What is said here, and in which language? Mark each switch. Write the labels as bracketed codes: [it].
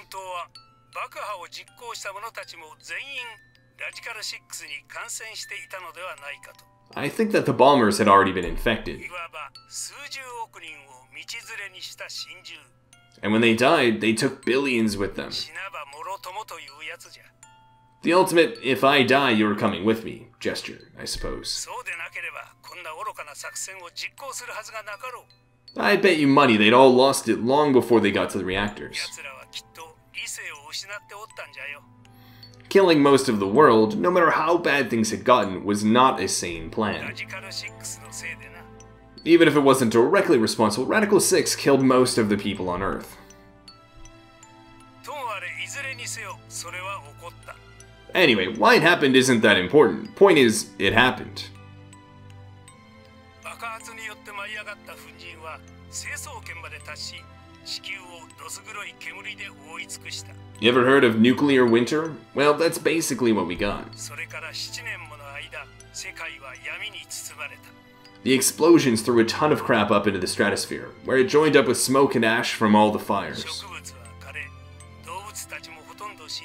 [ja] 爆破を実行した者たちも全員ラジカル6に感染していたのではないかと。 [en] I think that the bombers had already been infected. [ja] いわば数十億人を道連れにした神獣。 [en] And when they died, they took billions with them. [ja] 死なばもろともというやつじゃ。 [en] The ultimate, if I die, you're coming with me, gesture, I suppose. [ja] そうでなければこんな愚かな作戦を実行するはずがなかろう。 [en] I bet you money they'd all lost it long before they got to the reactors. [ja] やつらはきっと理性を失っておったんじゃよ。 [en] Killing most of the world, no matter how bad things had gotten, was not a sane plan. [ja] ラジカル6のせいでな。 [en] Even if it wasn't directly responsible, Radical 6 killed most of the people on Earth. [ja] ともあれ、いずれにせよ、それは起こった。 [en] Anyway, why it happened isn't that important. Point is, it happened. [ja] 爆発によって舞い上がった粉塵は、成層圏まで達し、地球をどす黒い煙で覆い尽くした。 [en] You ever heard of nuclear winter? Well, that's basically what we got. [ja] それから7年もの間、世界は闇に包まれた。 [en] The explosions threw a ton of crap up into the stratosphere, where it joined up with smoke and ash from all the fires. [ja] 植物は枯れ、動物たちもほとんど